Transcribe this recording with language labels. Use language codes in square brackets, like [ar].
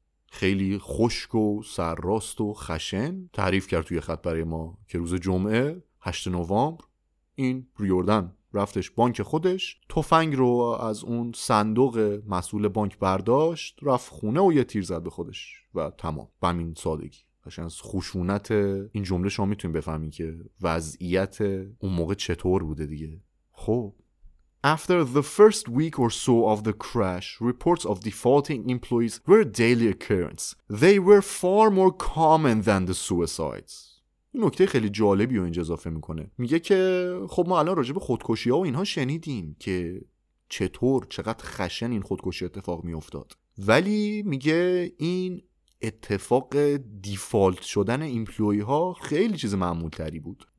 [fa] خیلی خشک و سرراست و خشن تعریف کرد توی خط برای ما که روز جمعه 8 نوامبر این ریوردن رفتش بانک خودش، تفنگ رو از اون صندوق مسئول بانک برداشت، رفت خونه و یه تیر زد به خودش و تمام. به همین سادگی. از خشونت این جمله شما میتونید بفهمید که وضعیت اون موقع چطور بوده دیگه. [en] خب After the first week or so of the crash, reports of defaulting employees were a daily occurrence. They were far more common than the suicides. [fa] این نکته خیلی جالبی رو اینجا اضافه میکنه. میگه که خب ما الان راجع به خودکشی ها و اینها شنیدیم که چطور چقدر خشن این خودکشی اتفاق میافتاد، ولی میگه این اتفاق دیفالت شدن ایمپلوی ها خیلی چیز معمول تری بود.